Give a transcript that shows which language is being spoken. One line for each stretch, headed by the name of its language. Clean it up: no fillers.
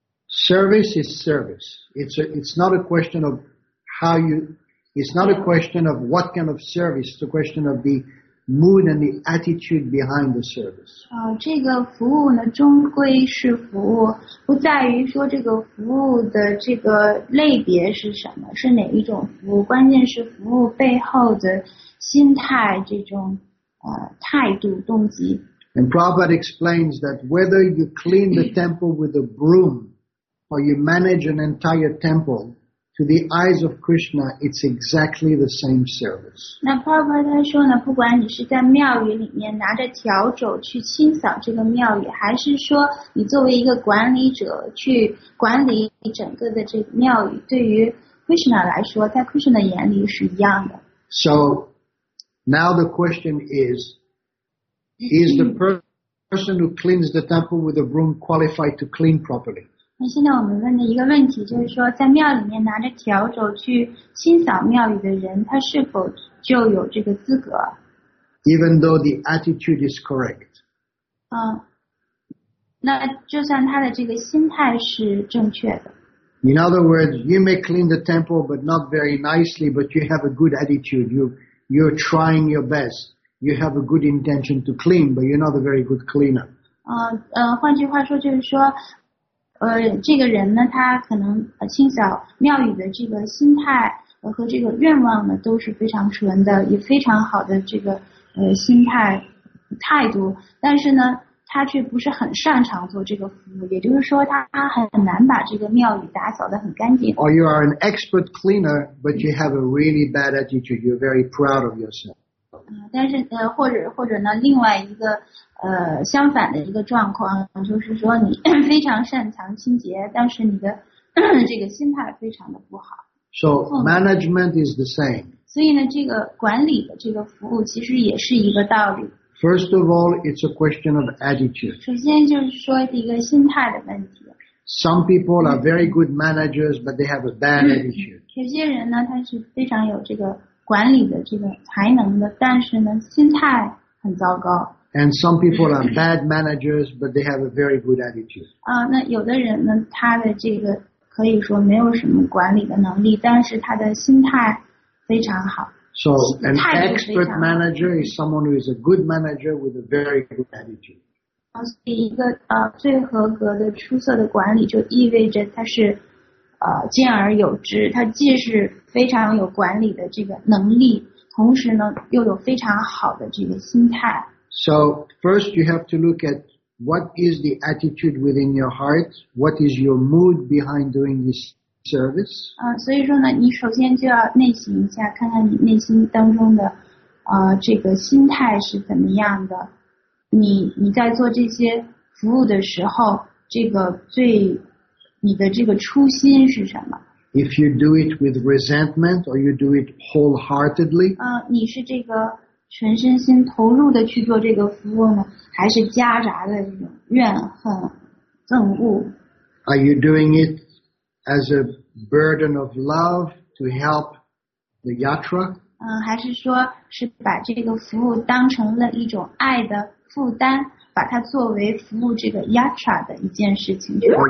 English: Service is service. It's not a question of what kind of service. It's a question of the mood and the attitude behind the service.
Chinese: 这个服务呢终归是服务，不在于说这个服务的这个类别是什么，是哪一种服务，关键是服务背后的心态，这种态度动机。
English: And Prabhupada explains that whether you clean the temple with a broom or you manage an entire temple,To the eyes of Krishna, it's exactly the same service.
Chinese: 那 Prabhupada 他说呢，不管你是在庙宇里面拿着笤帚去清扫这个庙宇，还是说你作为一个管理者去管理整个的这个庙宇，对于 Krishna 来说，在 Krishna 的眼里是一样的。
English: So now the question is the person who cleans the temple with a broom qualified to clean properly?
Chinese: 那现在我们问的一个问题就是说，在庙里面拿着笤帚去清扫庙宇的人，他是否就有这个资格
English: ？Even though the attitude is correct.
Chinese: 那就算他的这个心态是正确的。
English: In other words, you may clean the temple, but not very nicely. But you have a good attitude. You're trying your best. You have a good intention to clean, but you're not a very good cleaner.
Chinese: 换句话说就是说。这个人呢他可能清扫庙宇的这个心态和这个愿望呢都是非常纯的，也非常好的这个心态态度，但是呢他却不是很擅长做这个服务，也就是说他很难把这个庙宇打扫得很干净。
English: Or you are an expert cleaner, but you have a really bad attitude. You're very proud of yourself.
Chinese: 但是或者呢另外一个相反的一个状况，就是说你非常擅长清洁，但是你的这个心态非常的不好。
English: So management is the same.
Chinese: 所以呢，这个管理的这个服务其实也是一个道理。
English: First of all, it's a question of attitude.
Chinese: 首先就是说一个心态的问题。
English: Some people are very good managers, but they have a bad attitude.
Chinese: 有些人呢，他是非常有这个管理的这个才能的，但是呢，心态很糟糕。
English: And some people are bad managers, but they have a very good attitude.
Chinese: 啊，那有的人呢，他的这个可以说没有什么管理的能力，但是他的心态非常好。
English: So an expert manager is someone who is a good manager with a very good attitude.
Chinese: 啊，所以一个最合格的、出色的管理就意味着他是兼而有之，他既是非常有管理的这个能力，同时呢又有非常好的这个心态。
English: So first you have to look at what is the attitude within your heart, what is your mood behind doing this service.
Chinese: 所以说呢，你首先就要内省一下，看看你内心当中的这个心态是怎么样的。你在做这些服务的时候，这个最你的这个初心是什么？
English: If you do it with resentment or you do it wholeheartedly,
Chinese: 你是这个全身心投入的去做这个服务呢，还是夹杂的这种怨恨、憎恶？
English: Are you doing it as a burden of love to help the yatra?
Chinese: 还是说是把这个服务当成了一种爱的负担，把它作为服务这个 yatra 的一件事情？